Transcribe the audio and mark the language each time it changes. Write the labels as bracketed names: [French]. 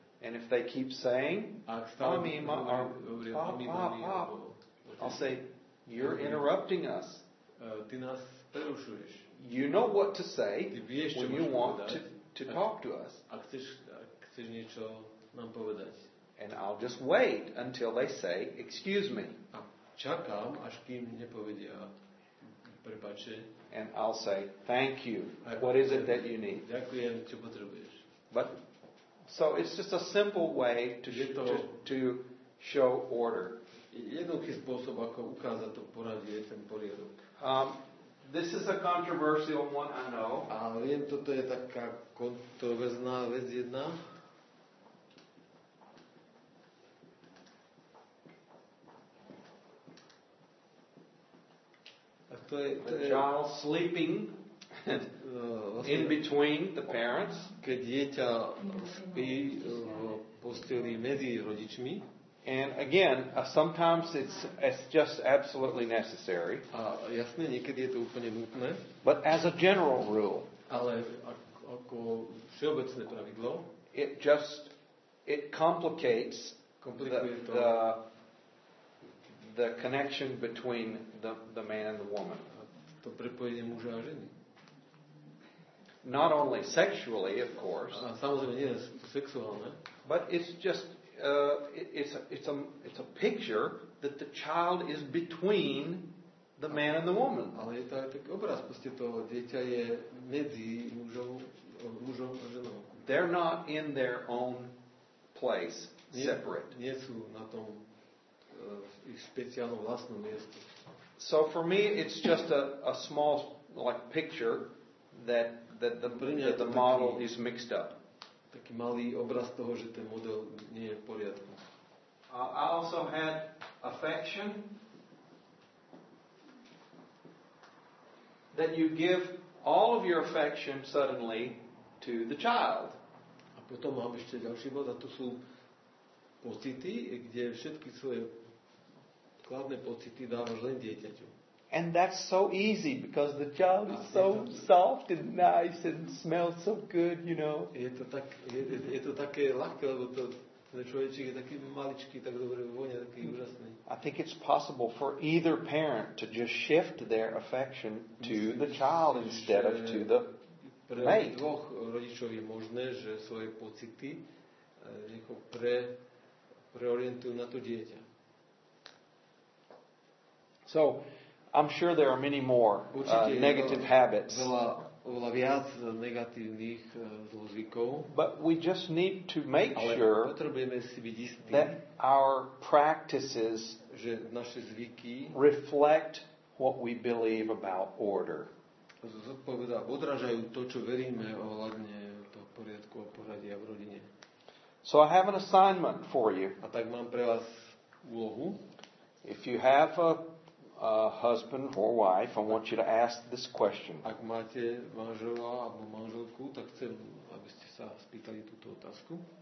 [English] And if they keep saying, [Slovak] mami, [English] I'll say, you're interrupting us. [Slovak] Ty nás prerušuješ. [English] You know what to say [Slovak] vieš, [English] when you want to talk to us. [Slovak] Ak chceš niečo nám povedať. [English] And I'll just wait until they say, excuse me. [Slovak] A čakám, až kým nepovedia prepáče. [English] And I'll say, thank you. What is it that you need? [Slovak] Ďakujem, čo potrebuješ. [English] But so it's just a simple way to show order. [Slovak] jednoduchý spôsob, ako ukázať to poradie, ten poriadok. [English] This is a controversial one, I know. [Slovak] A viem, toto je taká kontroverzná vec jedna. [English] Child sleeping in between the parents. [Slovak] Keď dieťa spí v posteli medzi rodičmi. [English] And again, sometimes it's just absolutely necessary. [Slovak] A jasne, niekedy je to úplne nutné. [English] But as a general rule, [Slovak] ale ako všeobecné pravidlo, [English] it complicates the connection between the man and the woman. [Slovak] To prepojenie muža a ženy. [English] Not only sexually, of course. [Slovak] A samozrejme nie sexuálne. [English] But it's just it's a picture that the child is between the man and the woman. [Slovak] Ale je to aj taký obraz, proste to dieťa je medzi mužom a ženou. [English] They're not in their own place, separate. [Slovak] Nie sú na tom ich špeciálnom vlastnom mieste. [English] So for me it's just a small like picture that the model is mixed up. [Slovak] Taký malý obraz toho, že ten model nie je v poriadku. [English] I also had affection that you give all of your affection suddenly to the child. [Slovak] A potom mám ešte ďalší bod, a to sú pocity, kde všetky svoje kladné pocity dávaš len dieťaťu. [English] And that's so easy because the child is so soft and nice and smells so good, you know. [Slovak] Je to také ľahké, lebo to človečík je taký maličký, tak dobre vonia, taký úžasný. [English] I think it's possible for either parent to just shift their affection to the child instead of to the mate. [Slovak] Pre dvoch rodičov je možné, že svoje pocity nejako preorientujú na to dieťa. [English] So I'm sure there are many more negative habits. [Slovak] Veľa viac negatívnych zlozvykov. [English] But we just need to make sure [Slovak] potrebujeme si byť istí, [English] that our practices [Slovak] že naše zvyky [English] reflect what we believe about order. [Slovak] Odrážajú to, čo veríme ohľadne toho poriadku a poradia v rodine. [English] So I have an assignment for you. [Slovak] A tak mám pre vás úlohu. [English] If you have a husband or wife, I want you to ask this question. [Slovak] Ak máte manžela alebo manželku, tak chcem, aby ste sa spýtali túto otázku.